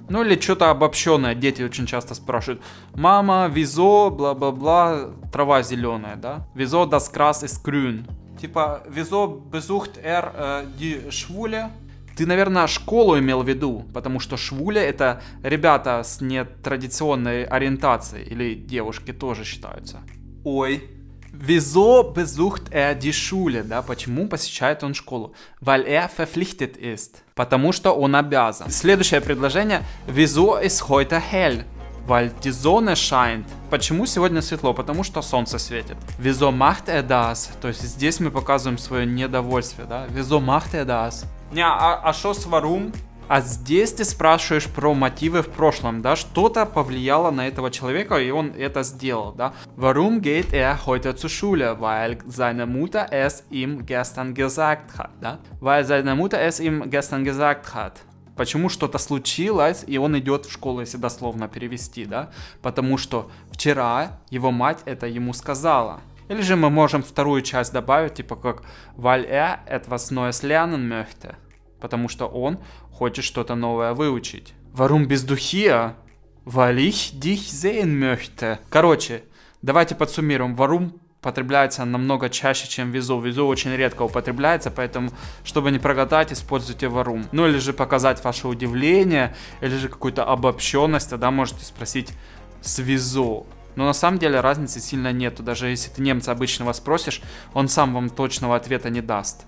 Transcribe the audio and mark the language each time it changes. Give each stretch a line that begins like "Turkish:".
Russian: Ну или что-то обобщенное, дети очень часто спрашивают. Мама, wieso, бла-бла-бла, трава зеленая, да?
German: Wieso das Gras ist grün?
Russian: Типа,
German: wieso besucht er die Schwule?
Russian: Ты, наверное, школу имел в виду, потому что Schwule это ребята с нетрадиционной ориентацией, или девушки тоже считаются. Ой.
German: Wieso besucht er die Schule,
Russian: да? Почему посещает он школу?
German: Weil er verpflichtet ist.
Russian: Потому что он обязан. Следующее предложение.
German: Wieso ist heute hell? Weil die Sonne scheint.
Russian: Почему сегодня светло? Потому что солнце светит.
German: Wieso macht er das?
Russian: То есть здесь мы показываем свое недовольствие, да?
German: Wieso macht er das?
Russian: Не, а что с варум? А здесь ты спрашиваешь про мотивы в прошлом, да? Что-то повлияло на этого человека, и он это сделал, да?
German: Warum geht er heute zur Schule? Weil seine Mutter es ihm gestern gesagt hat,
Russian: да?
German: Weil seine Mutter es ihm gestern gesagt hat.
Russian: Почему что-то случилось, и он идет в школу, если дословно перевести, да? Потому что вчера его мать это ему сказала. Или же мы можем вторую часть добавить, типа как
German: Weil er etwas Neues lernen möchte.
Russian: Потому что он хочет что-то новое выучить.
German: Warum bist du hier? Weil ich dich sehen möchte.
Russian: Короче, давайте подсуммируем. Warum потребляется намного чаще, чем wieso. Wieso очень редко употребляется, поэтому, чтобы не прогадать, используйте warum. Ну или же показать ваше удивление, или же какую-то обобщенность, тогда можете спросить с wieso. Но на самом деле разницы сильно нету, даже если ты немца обычного спросишь, он сам вам точного ответа не даст.